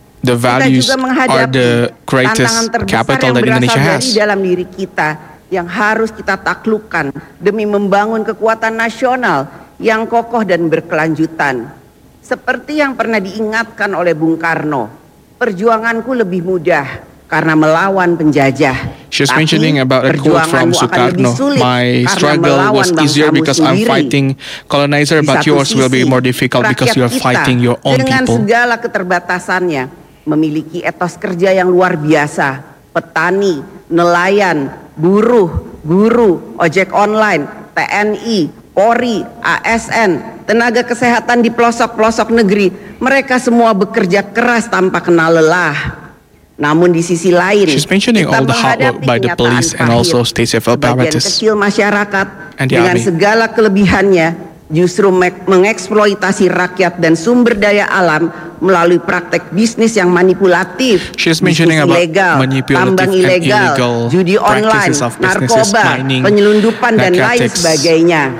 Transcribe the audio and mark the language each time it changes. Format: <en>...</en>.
<en>The values are the greatest capital that Indonesia has.</en> <id>Di dalam diri kita yang harus kita taklukkan demi membangun kekuatan nasional yang kokoh dan berkelanjutan. Seperti yang pernah diingatkan oleh Bung Karno, perjuanganku lebih mudah karena melawan penjajah.</id> <en>She's mentioning about a quote from Sukarno. My struggle was easier because I'm fighting colonizer, but yours will be more difficult because you're fighting your own people.</en> <id>Dengan segala keterbatasannya, memiliki etos kerja yang luar biasa, petani, nelayan, buruh, guru, ojek online, TNI, Polri, ASN, tenaga kesehatan di pelosok-pelosok negeri, mereka semua bekerja keras tanpa kenal lelah. Namun di sisi lain,</id> <en>she's mentioning</en> <id>kita</id> <en>all the hard work by the police and also state apparatus.</en> <id>Kecil masyarakat dengan segala kelebihannya justru mengeksploitasi rakyat dan sumber daya alam melalui praktek bisnis yang manipulatif, bisnis ilegal, tambang ilegal, judi online, narkoba, penyelundupan dan lain sebagainya.</id>